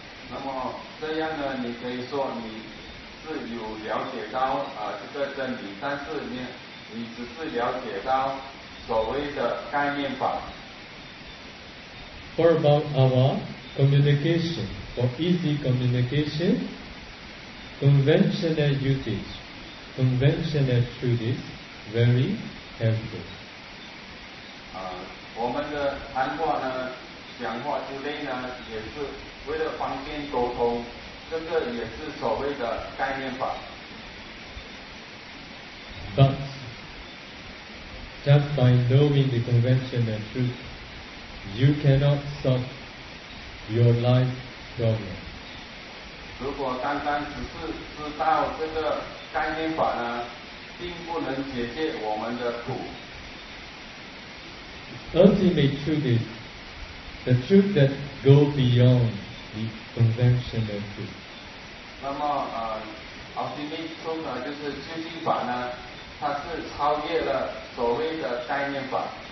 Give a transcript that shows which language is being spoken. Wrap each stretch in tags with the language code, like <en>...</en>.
<zh>那么这样呢，你可以说你是有了解到这个真理，但是你只是了解到所谓的概念法。</zh> <en>For about our communication, for easy communication, conventional usage, conventional truth is very helpful.</en> <zh>我们的谈话呢，讲话之类呢，也是为了方便沟通，这个也是所谓的概念法。</zh> <en>But just by knowing the conventional truth,You cannot solve your life problem.</en> <zh>如果单单只是知道这个概念法呢，并不能解决我们的苦。</zh> <en>Ultimate truth is the truth that goes beyond the conventional truth.</en> <zh>那么</zh> <en>ultimate truth</en> <zh>呢，就是究竟法呢，它是超越了所谓的概念法。</zh>